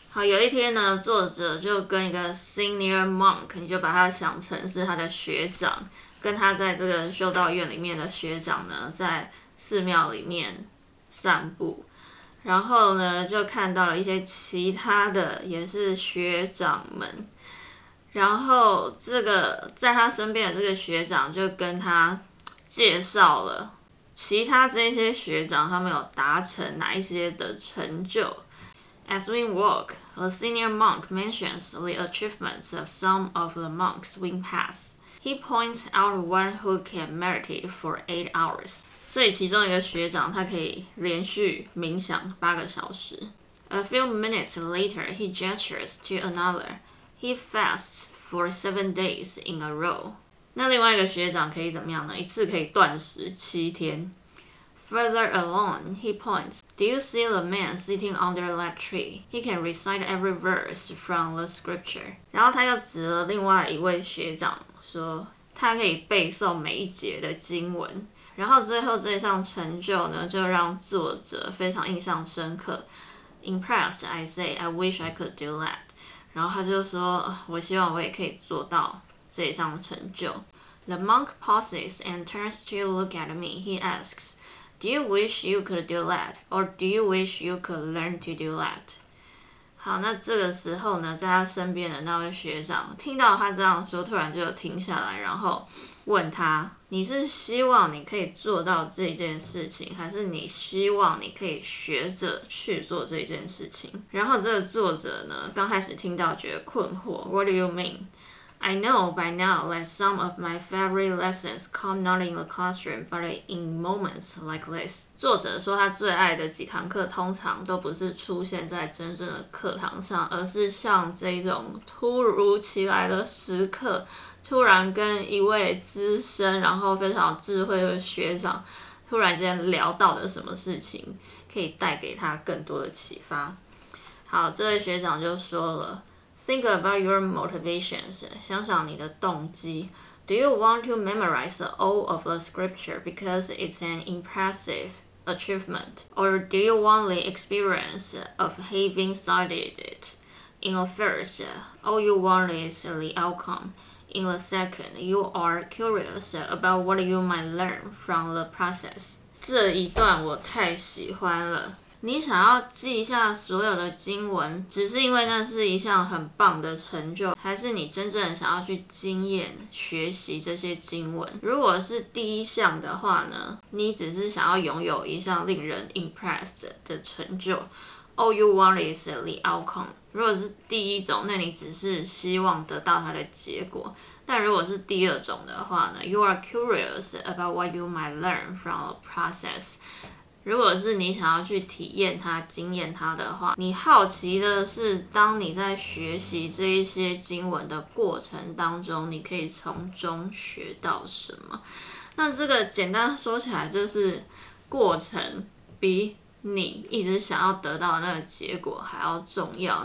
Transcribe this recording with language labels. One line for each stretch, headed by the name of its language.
Chinese: 好，有一天呢，作者就跟一个
English: senior monk，
Chinese: 你就把他想成是他的学长，跟他在这个修道院里面的学长呢，在寺庙里面散步，然后呢，就看到了一些其他的也是学长们。然后，这个在他身边的这个学长就跟他介绍了其他这些学长他们有达成哪一些的成就。
English: As we walk, a senior monk mentions the achievements of some of the monks we pass. He points out one who can meditate for 8 hours.
Chinese: 所以其中一个学长他可以连续冥想8个小时。
English: A few minutes later, he gestures to another. He fasts for 7 days in a row.
Chinese: 那另外一个学长可以怎么样呢？一次可以断食7天。
English: Further along, he points. Do you see the man sitting under that tree? He can recite every verse from the scripture.
Chinese: 然后他又指了另外一位学长说，他可以背诵每一节的经文。然后最后这项成就呢，就让作者非常印象深刻。
English: Impressed, I say, I wish I could do that.
Chinese: 然后他就说，我希望我也可以做到这项成就。
English: The monk pauses and turns to look at me. He asks, Do you wish you could do that? Or do you wish you could learn to do that?
Chinese: 好，那这个时候呢，在他身边的那位学长，听到他这样说，突然就停下来，然后问他，你是希望你可以做到这件事情，还是你希望你可以学着去做这件事情？然后这个作者呢，刚开始听到觉得困惑，
English: What do you mean？ I know by now that some of my favorite lessons come not in the classroom, but in moments like this.
Chinese: 作者说他最爱的几堂课通常都不是出现在真正的课堂上，而是像这种突如其来的时刻，突然跟一位资深然后非常智慧的学长突然间聊到的什么事情，可以带给他更多的启发。好，这位学长就说了，
English: Think about your motivations.
Chinese: 想想你的动机。
English: Do you want to memorize all of the scripture because it's an impressive achievement? Or do you want the experience of having studied it? In the first, all you want is the outcome. In the second, you are curious about what you might learn from the process.
Chinese: 这一段我太喜欢了。你想要记一下所有的经文，只是因为那是一项很棒的成就，还是你真正想要去经验学习这些经文？如果是第一项的话呢，你只是想要拥有一项令人 impressed 的成就，
English: All you want is the outcome。
Chinese: 如果是第一种，那你只是希望得到它的结果。但如果是第二种的话呢，
English: You are curious about what you might learn from the process。
Chinese: 如果是你想要去体验它、经验它的话，你好奇的是，当你在学习这一些经文的过程当中，你可以从中学到什么？那这个简单说起来，就是过程比你一直想要得到的那个结果还要重要。